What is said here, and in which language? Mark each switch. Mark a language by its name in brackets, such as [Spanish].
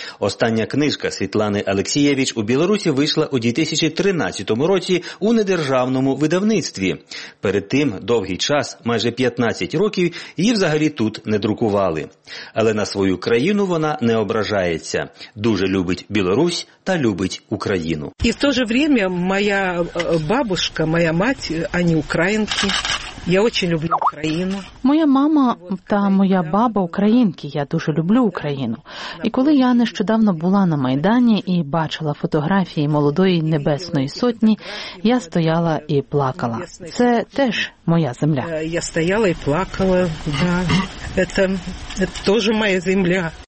[Ukrainian] Остання книжка Світлани Алексієвіч у Білорусі вийшла у 2013 році у недержавному видавництві. Перед тим довгий час, майже 15 років, її взагалі тут не друкували. Але на свою країну вона не ображається. Дуже любить Білорусь та любить Україну. [Russian] І в то же время моя бабушка, моя мать, [Ukrainian] вони українки. Я дуже люблю Україну. Моя мама та моя баба українки. Я дуже люблю Україну. І коли я нещодавно була на Майдані і бачила фотографії молодої Небесної Сотні, я стояла і плакала. Це теж моя земля. Я стояла і плакала. Це теж моя земля.